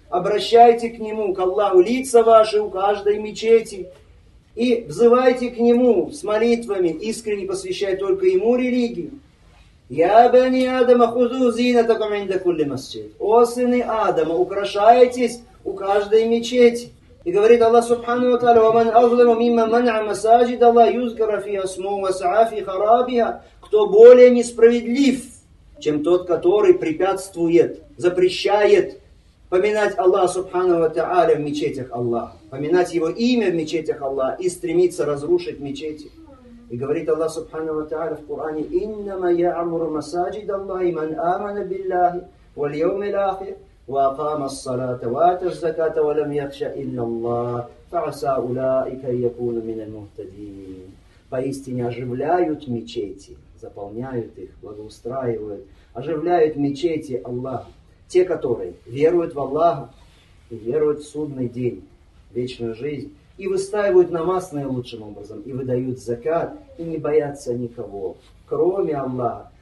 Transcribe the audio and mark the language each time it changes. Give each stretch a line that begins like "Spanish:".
Russian: Обращайте к нему, к Аллаху, лица ваши у каждой мечети и взывайте к нему с молитвами, искренне посвящая только ему религию.
Arabic: Я бени Адама, хузу зинатакум инда кулли масджид.
Russian: О сыны Адама, украшайтесь у каждой мечети. И говорит Аллах Субхану ва Тааля:
Arabic: ومن أظلم ممن منع مساجد الله يذكر فيها اسمه وسعى في خرابها.
Russian: Кто более несправедлив, чем тот, который препятствует, запрещает поминать Аллаха Субхану ва Тааля в мечетях Аллаха, поминать его имя в мечетях Аллаха и стремиться разрушить мечети. И говорит Аллах Субхану ва Тааля в Коране:
Arabic: إنما يعمر مساجد الله من آمن بالله واليوم الآخر وأقام الصلاة وآتى الزكاة ولم يخش إلا الله فعسى أولئك أن يكونوا من المهتدين.
Russian: Поистине оживляют мечети, заполняют их, благоустраивают, оживляют мечети Аллаха те, которые веруют в Аллаха и веруют в Судный день, вечную жизнь, и выстаивают намаз наилучшим образом, и выдают закат, и не боятся никого, кроме Аллаха.